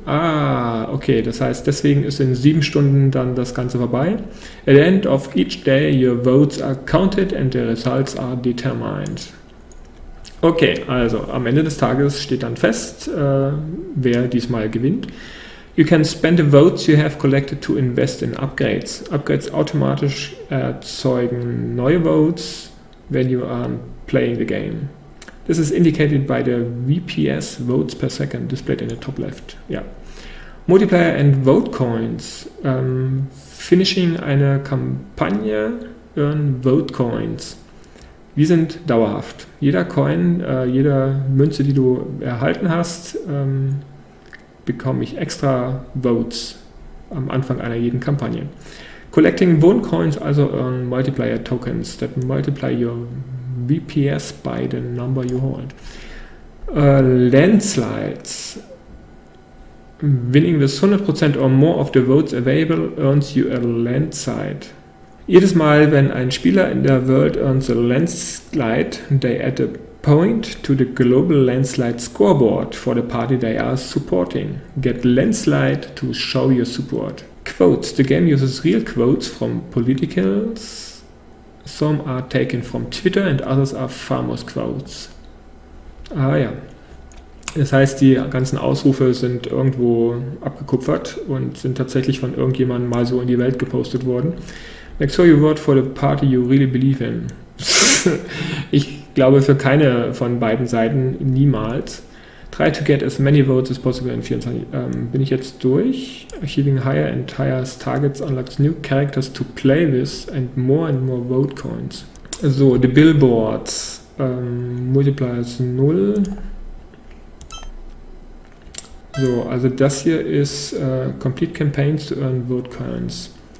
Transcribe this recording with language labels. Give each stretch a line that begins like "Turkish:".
German: Ah, okay, das heißt, deswegen ist in 7 Stunden dann das Ganze vorbei.
English: At the end of each day, your votes are counted and the results are determined.
German: Okay, also am Ende des Tages steht dann fest, wer diesmal gewinnt.
English: You can spend the votes you have collected to invest in upgrades.
German: Upgrades automatisch erzeugen neue
English: votes when you are playing the game. This is indicated by the VPS votes per second displayed in the top left. Yeah. Multiplayer and vote coins. Finishing
German: eine Kampagne
English: earn vote coins.
German: Die sind dauerhaft. Jeder Coin, jede Münze, die du erhalten hast, bekomme ich extra votes am Anfang einer jeden Kampagne.
English: Collecting vote coins also earn multiplier tokens that multiply your VPS by the number you hold. Landslides. Winning with 100% or more of the votes available earns you a landslide.
German: Jedes Mal, wenn ein Spieler in der
English: World earns a landslide, they add a point to the global landslide scoreboard for the party they are supporting. Get landslide to show your support. Quotes. The game uses real quotes from politicians. Some are taken from Twitter and others are famous quotes.
German: Ah ja. Das heißt, die ganzen Ausrufe sind irgendwo abgekupfert und sind tatsächlich von irgendjemandem mal so in die Welt gepostet worden.
English: Make sure you vote for the party you really believe in.
German: Ich glaube für keine von beiden Seiten, niemals.
English: Try to get as many votes as possible in 24.
German: Bin ich jetzt durch?
English: Achieving higher and higher targets unlocks new characters to play with and more vote coins. So, the billboards. Multiplier ist 0.
German: So, also das hier ist
English: complete campaigns to earn vote coins.